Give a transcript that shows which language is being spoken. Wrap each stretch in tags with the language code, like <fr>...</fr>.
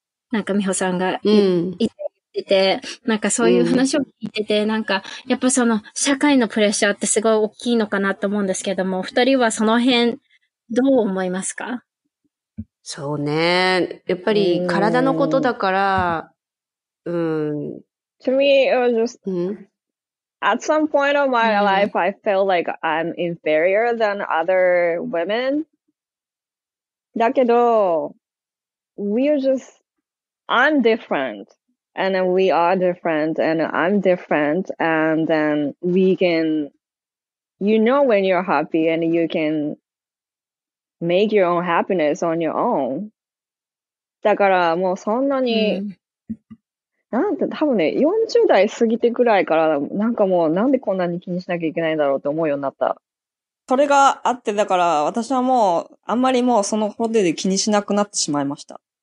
<ja>なんか美穂さんが言ってて、なんかそういう話を聞いてて、なんか、やっぱその、社会のプレッシャーってすごい大きいのかなと思うんですけども、二人はその辺、どう思いますか？そうね。やっぱり体のことだから、うん。</ja> <en>To me, it was just, at some point of my life, I felt like I'm inferior than other women.</en> <ja>だけど、</ja> <en>we are just, I'm different. And then we are different, and I'm different, and then we can, you know, when you're happy and you can make your own happiness on your own.</en> <ja>だからもうそんなに、なんて、多分ね、40代過ぎてくらいから、なんかもうなんでこんなに気にしなきゃいけないんだろうって思うようになった。それがあって、だから私はもう、あんまりもうその方で気にしなくなってしまいました。</ja>